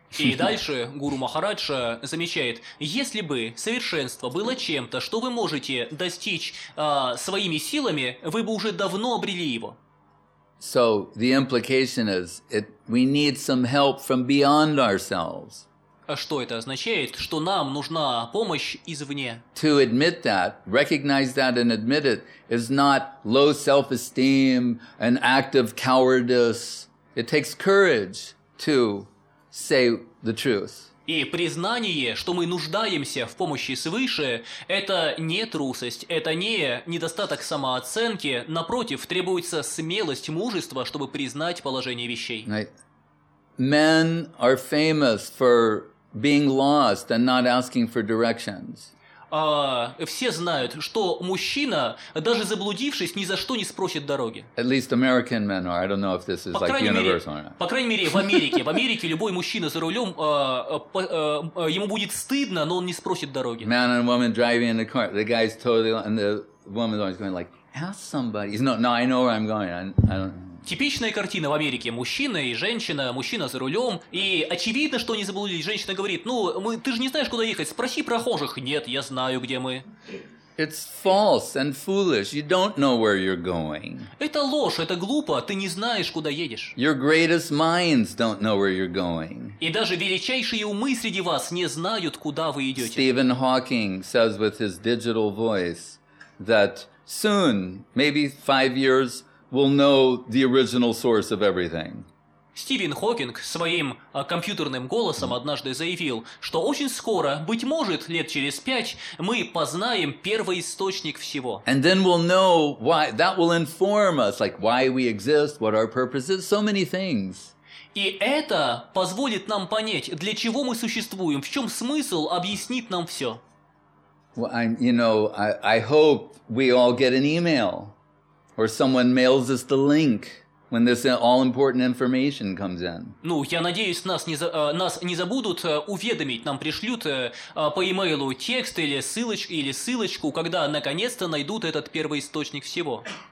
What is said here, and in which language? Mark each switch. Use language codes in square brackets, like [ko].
[ru] И дальше Гуру Махараджа замечает, если бы совершенство было чем-то, что вы можете достичь своими силами, вы бы уже давно обрели его. [en] So the implication is it, we need some help from beyond ourselves. [ru] А что это означает? Что нам нужна помощь извне. [en] To admit that, recognize that and admit it, is not low self-esteem, an act of cowardice. It takes courage to say the truth. [ru] И признание, что мы нуждаемся в помощи свыше, это не трусость, это не недостаток самооценки. Напротив, требуется смелость, мужество, чтобы признать положение вещей. [en] Right. Men are famous for being lost and not asking for directions. [ru] Все знают, что мужчина, даже заблудившись, ни за что не спросит дороги. [en] At least American men are. I don't know if this is like universal or not. [ru] По крайней мере, в Америке. В Америке любой мужчина за рулем, ему будет стыдно, но он не спросит дороги. [en] Man and woman driving in the car. The guy's totally... And the woman's always going like, ask somebody. No, I know where I'm going. I don't... [ru] Типичная картина в Америке. Мужчина и женщина, мужчина за рулем. И очевидно, что они заблудились. Женщина говорит, ты же не знаешь, куда ехать. Спроси прохожих. Нет, я знаю, где мы. [en] It's false and foolish. You don't know where you're going. [ru] Это ложь, это глупо. Ты не знаешь, куда едешь. [en] Your greatest minds don't know where you're going. [ru] И даже величайшие умы среди вас не знают, куда вы идете. [en] Стивен Хокинг says with his digital voice that soon, maybe 5 years, will know the original source of everything. [ru] Стивен Хокинг своим компьютерным голосом однажды заявил, что очень скоро, быть может, лет через 5, мы познаем первоисточник всего. [en] And then we'll know why, that will inform us, like why we exist, what our purpose is, so many things. [ru] И это позволит нам понять, для чего мы существуем, в чем смысл, объяснит нам все. [en] Well, I hope we all get an email. Or someone mails us the link when this all-important information comes in. [ru] Ну, я надеюсь, нас не забудут уведомить, нам пришлют по имейлу текст или ссылочку, когда наконец-то найдут этот первоисточник всего.